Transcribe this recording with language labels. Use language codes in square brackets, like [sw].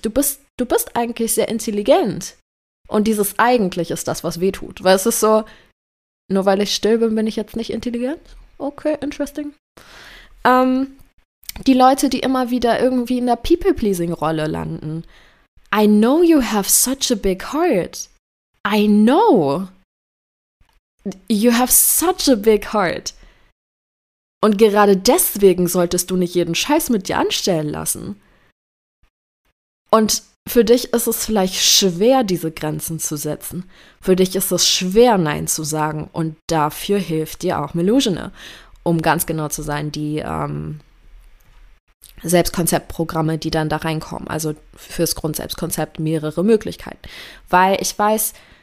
[de] Du bist eigentlich sehr intelligent. Und dieses eigentlich ist das, was wehtut. Weil es ist so, nur weil ich still bin, bin ich jetzt nicht intelligent? [en] Okay, interesting. [de] Die Leute, die immer wieder irgendwie in der People-Pleasing-Rolle landen. [en] I know you have such a big heart. I know. You have such a big heart. [de] Und gerade deswegen solltest du nicht jeden Scheiß mit dir anstellen lassen. Und für dich ist es vielleicht schwer, diese Grenzen zu setzen. Für dich ist es schwer, Nein zu sagen. Und dafür hilft dir auch Melusine, um ganz genau zu sein, die Selbstkonzeptprogramme, die dann da reinkommen. Also fürs Grundselbstkonzept mehrere Möglichkeiten. Weil ich weiß,